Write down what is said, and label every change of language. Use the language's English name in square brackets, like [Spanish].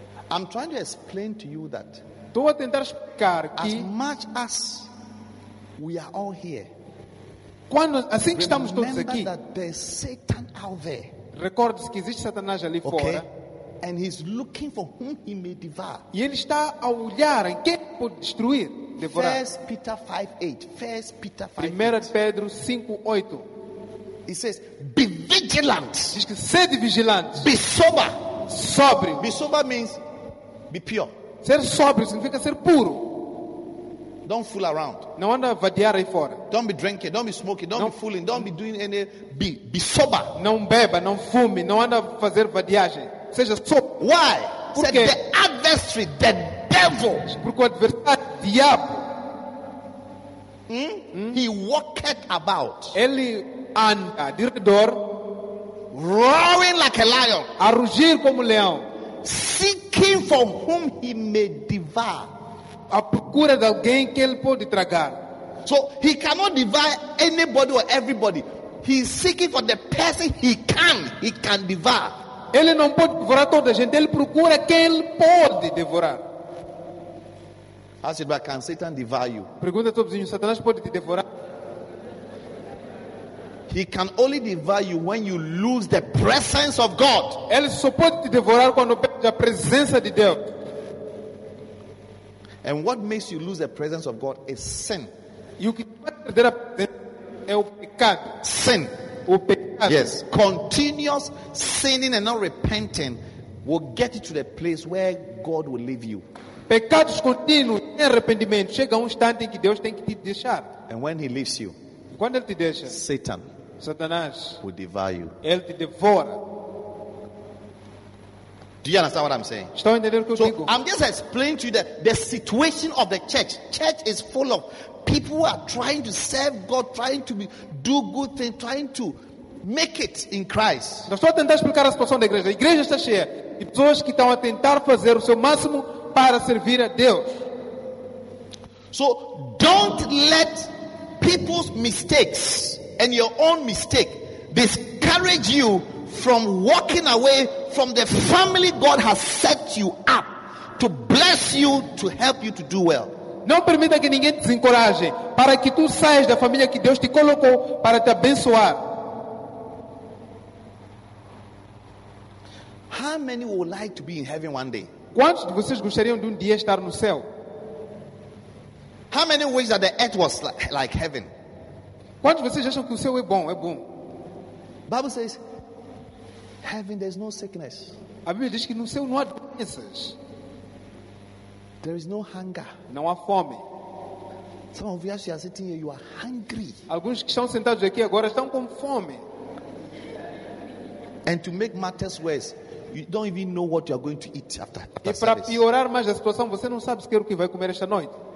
[English] I'm trying to explain to you that. [Portuguese] Estou a tentar explicar que, [English] as much as we are all here, [Portuguese] quando, assim que estamos todos aqui, [English] that there's Satan out there. [Portuguese] Recorde-se que existe Satanás ali [English] okay? [Portuguese] fora. [English] And he's looking for whom he may devour. [Portuguese] E ele está a olhar em quem pode destruir, devorar. [English] 1 Peter 5:8. [Portuguese] 1 Pedro 5:8. [English] He says, be vigilant. [Portuguese] Diz que sede vigilante. [English] Be sober. [Portuguese] Sobre. [English] Be sober means be pure. [Portuguese] Ser sóbrio significa ser puro. [English] Don't fool around. [Portuguese] Não anda vadiar aí fora. [English] Don't be drinking, don't be smoking, don't be fooling, don't be doing any be sober. [Portuguese] Não beba, não fume, não anda fazer vadiagem. Seja sóbrio. [English] Why? [Portuguese] Porque [English] the adversary, the devil. [Portuguese] Porque o adversário, diabo. [English] He walketh about. [Portuguese] Ele anda de redor, [English] roaring like a lion. [Portuguese] A rugir como leão. [English] Seeking for whom he may devour. [Portuguese] A procura de alguém que ele pode tragar. [English] So he cannot devour anybody or everybody. He is seeking for the person he can devour. [Portuguese] Ele não pode devorar toda a gente. Ele procura quem ele pode devorar. [English] Ask it back, can Satan devour you? [Portuguese] Pergunta ao vizinho, Satanás pode te devorar? [English] He can only devour you when you lose the presence of God. [Portuguese] Ele só pode te devorar quando perde a presença de Deus. [English] And what makes you lose the presence of God is sin. You can [Portuguese] perder a presença é o pecado. [English] Sin. [Portuguese] O pecado. [English] Yes. Continuous sinning and not repenting will get you to the place where God will leave you. [Portuguese] Pecados contínuos sem arrependimento chega a instante em que Deus tem que te deixar. [English] And when he leaves you, [Portuguese] quando ele te deixa, [English] Satan. [Portuguese] Satanás [English] will devour you. [Portuguese] Ele te devora. [English] Do you understand what I'm saying? [Portuguese] Estão entendendo o que eu digo? [English] I'm just explaining to you the situation of the church. Church is full of people who are trying to serve God, trying to do good things, trying to Make it in Christ. [Portuguese] Nós estamos a tentar explicar a situação da igreja. A igreja está cheia de pessoas que estão a tentar fazer o seu máximo para servir a Deus. [English] So don't let people's mistakes and your own mistake discourage you from walking away from the family God has set you up to bless you, to help you to do well. [Portuguese] Não permita que ninguém te desencoraje para que tu saias da família que Deus te colocou para te abençoar. [English] How many would like to be in heaven one day? [Portuguese] Quantos de vocês gostariam de um dia estar no céu? [English] How many wish that the earth was like heaven? [Portuguese] Quantos de vocês acham que o céu é bom? [English] Bible says, heaven there is no sickness. [Portuguese] A Bíblia diz que no céu não há doenças. [English] There is no hunger. [Portuguese] Não há fome. [English] Some of you are sitting here, you are hungry. [Portuguese] Alguns que estão sentados aqui agora estão com fome. [English] And to make matters worse, you don't even know what you are going to eat after [Portuguese] e para piorar mais a situação, você não sabe sequer o que vai comer esta noite.